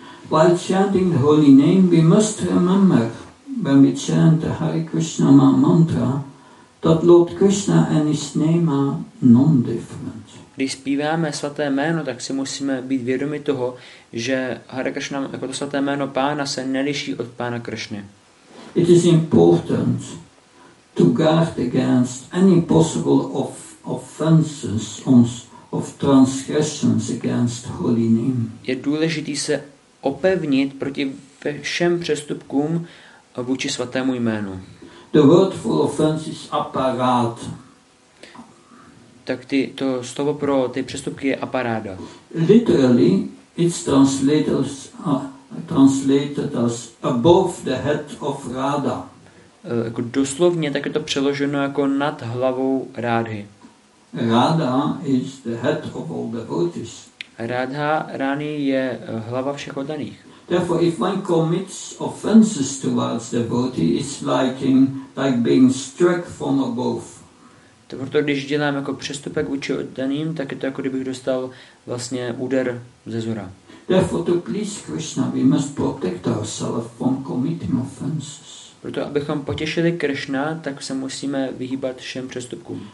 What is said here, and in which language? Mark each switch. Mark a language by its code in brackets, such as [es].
[en] While chanting the holy name, we must remember when we chant the Hare Krishna mantra, that Lord Krishna and his name are non-different. [cs] Když zpíváme svaté jméno, tak si musíme být vědomi toho, že Hare Krishna, jako to svaté jméno Pána, se neliší od Pána Krishny. [en] It is important to guard against any possible offenses of transgressions against holy name. [cs] Je důležité se opevnit proti všem přestupkům vůči svatému jménu. [en] The word for offense is aparat. [cs] Tak to slovo pro ty přestupky je aparáda. [en] Literally, it's translated as above the head of Radha. [cs] Jako doslovně tak je to přeloženo jako nad hlavou Rádhy. [en] Radha is the head of all devotees. [cs] Radha Rani je hlava všech oddaných. [en] Therefore, if one commits offenses towards the body, it's like being struck from above. [cs] To proto, když dělám jako přestupek vůči oddaným, tak je to jako kdybych dostal vlastně úder ze zora. [en] Therefore, to please Krishna, we must protect ourselves from committing offenses. [cs] Proto, abychom potěšili Krishna, tak se musíme vyhýbat všem přestupkům.